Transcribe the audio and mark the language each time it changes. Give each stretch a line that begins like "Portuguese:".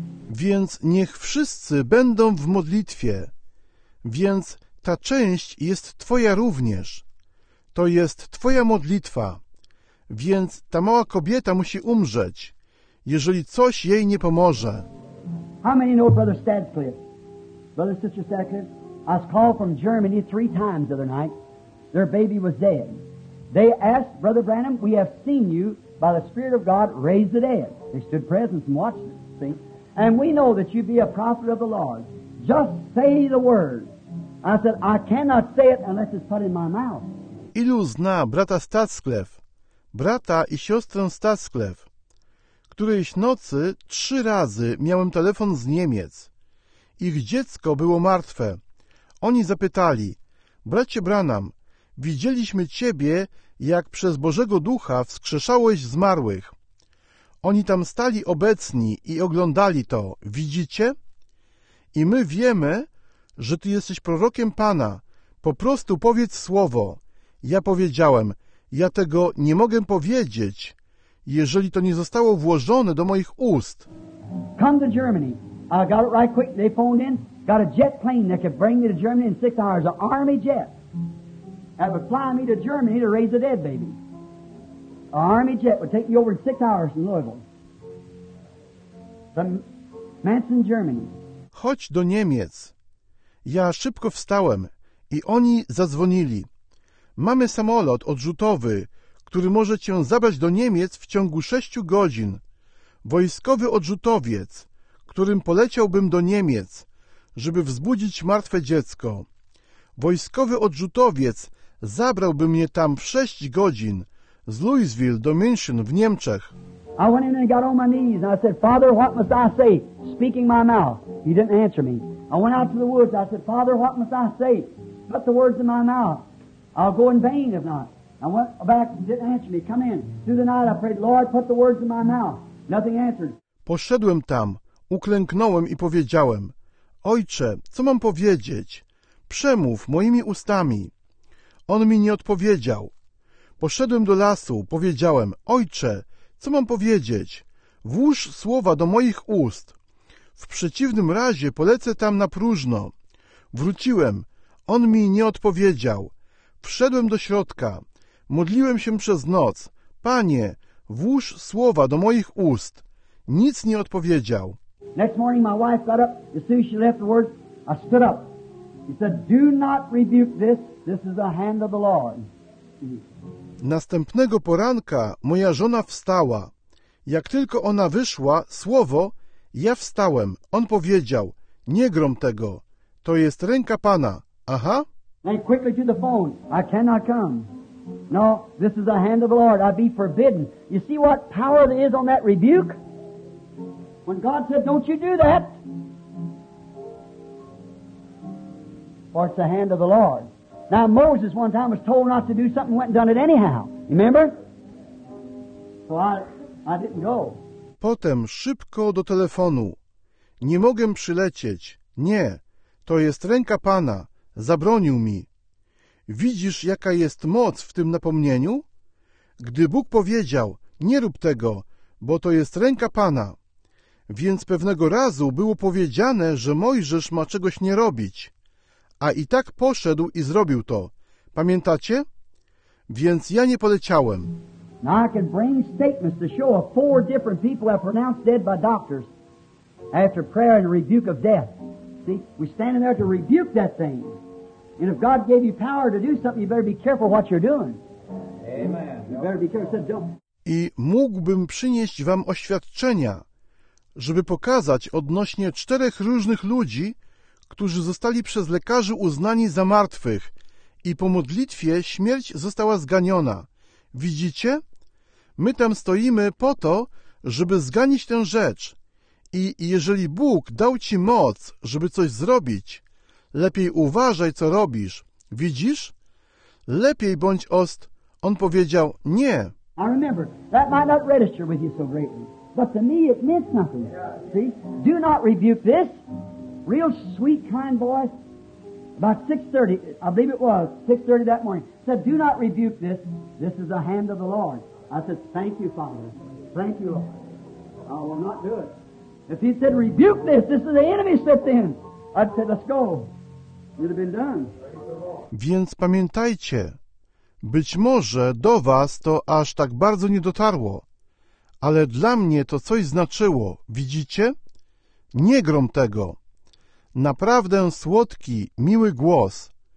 Polish: Więc niech wszyscy będą w modlitwie. Więc ta część jest Twoja również. To jest Twoja modlitwa. Więc ta mała kobieta musi umrzeć, jeżeli coś jej nie pomoże.
English: How many know Brother Stadcliffe? Brother Sister Stadcliffe, I was called from Germany three times the other night. Their baby was dead. They asked Brother Branham, we have seen you by the Spirit of God raise the dead. They stood present and watched it, see? And we know that you be a prophet of the Lord. Just say the word. I said, I cannot say it unless it's put in my mouth.
Polish: Ilu zna brata Stadcliffe? Brata i siostrę Stadcliffe. Którejś nocy trzy razy miałem telefon z Niemiec. Ich dziecko było martwe. Oni zapytali, bracie Branham, widzieliśmy Ciebie, jak przez Bożego Ducha wskrzeszałeś zmarłych. Oni tam stali obecni i oglądali to. Widzicie? I my wiemy, że Ty jesteś prorokiem Pana. Po prostu powiedz słowo. Ja powiedziałem, ja tego nie mogę powiedzieć, jeżeli to nie zostało włożone do moich ust.
English: Come to Germany. I got it right quick. They phoned in. Got a jet plane that could bring me to Germany in 6 hours. An army jet. That would fly me to Germany to raise a dead baby. An army jet would take me over in 6 hours in Louisville. From Manson, Germany.
Polish: Chodź do Niemiec. Ja szybko wstałem i oni zadzwonili. Mamy samolot odrzutowy, który może cię zabrać do Niemiec w ciągu 6 godzin. Wojskowy odrzutowiec, którym poleciałbym do Niemiec, żeby wzbudzić martwe dziecko. Wojskowy odrzutowiec zabrałby mnie tam w 6 godzin z Louisville do München w Niemczech.
English: I went in and got on my knees and I said, Father, what must I say? Speaking my mouth. He didn't answer me. I went out to the woods. I said, Father, what must I say? Put the words in my mouth. I'll go in vain if not. I went back and didn't answer me. Come in. Through the night I prayed, Lord, put the words in my mouth. Nothing answered.
Polish: Poszedłem tam, uklęknąłem i powiedziałem, Ojcze, co mam powiedzieć? Przemów moimi ustami. On mi nie odpowiedział. Poszedłem do lasu, powiedziałem, Ojcze, co mam powiedzieć? Włóż słowa do moich ust. W przeciwnym razie polecę tam na próżno. Wróciłem, on mi nie odpowiedział. Wszedłem do środka, modliłem się przez noc. Panie, włóż słowa do moich ust. Nic nie odpowiedział.
English: Next morning my wife got up, as soon as she left the word, I stood up. She said, do not rebuke this, this is the hand of the Lord.
Polish: Następnego poranka moja żona wstała. Jak tylko ona wyszła, słowo, ja wstałem. On powiedział, nie grom tego, to jest ręka Pana. Aha.
English: And quickly to the phone, I cannot come. No, this is the hand of the Lord, I be forbidden. You see what power there is on that rebuke? When God said, don't you do that. For it's the hand of the Lord. Now Moses one time was told not to do something, went and done it anyhow. Remember? So I didn't go.
Polish: Potem szybko do telefonu. Nie mogę przylecieć. Nie, to jest ręka Pana. Zabronił mi. Widzisz, jaka jest moc w tym napomnieniu? Gdy Bóg powiedział, nie rób tego, bo to jest ręka Pana. Więc pewnego razu było powiedziane, że Mojżesz ma czegoś nie robić. A i tak poszedł i zrobił to. Pamiętacie? Więc ja nie poleciałem.
English: Now I can bring statements to show of 4 different people that are pronounced dead by doctors after prayer and rebuke of death. See, we're standing there to rebuke that thing. And if God gave you power to do something, you better be careful what you're doing. Amen. You better be careful. Said, don't.
Polish: I mógłbym przynieść wam oświadczenia, żeby pokazać odnośnie 4 różnych ludzi, którzy zostali przez lekarzy uznani za martwych i po modlitwie śmierć została zganiona. Widzicie? My tam stoimy po to, żeby zganić tę rzecz. I jeżeli Bóg dał ci moc, żeby coś zrobić, lepiej uważaj, co robisz. Widzisz? Lepiej bądź ost. On powiedział, nie.
English: I remember, that might not register with you so greatly, but to me it meant nothing. See? Do not rebuke this. real sweet, kind voice, about 6:30, I believe it was, 6:30 that morning, said, "Do not rebuke this. This is the hand of the Lord." I said, "Thank you, Father. Thank you, Lord. I will not do it." If he said, "Rebuke this. This is the enemy set in," I'd say, "Let's go." You'd have been done.
Polish: Więc pamiętajcie, być może do was to aż tak bardzo nie dotarło, ale dla mnie to coś znaczyło, widzicie? Nie grom tego. Naprawdę słodki, miły głos.